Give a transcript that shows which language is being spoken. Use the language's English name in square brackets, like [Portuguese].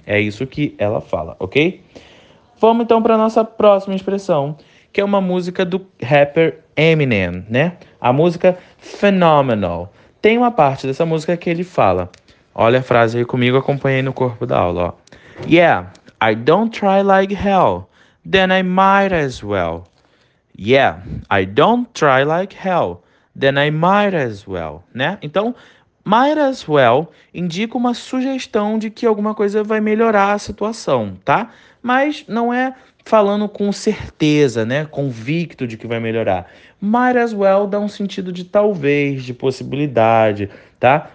[Portuguese] É isso que ela fala, ok? Vamos então para nossa próxima expressão, que é uma música do rapper Eminem, né? A música Phenomenal. Tem uma parte dessa música que ele fala: Olha a frase aí comigo, acompanhei no corpo da aula, ó. [English] Yeah, I don't try like hell, then I might as well. Yeah, I don't try like hell, then I might as well, né? [Portuguese] Então, might as well indica uma sugestão de que alguma coisa vai melhorar a situação, tá? Mas não é falando com certeza, né? Convicto de que vai melhorar. Might as well dá um sentido de talvez, de possibilidade, tá?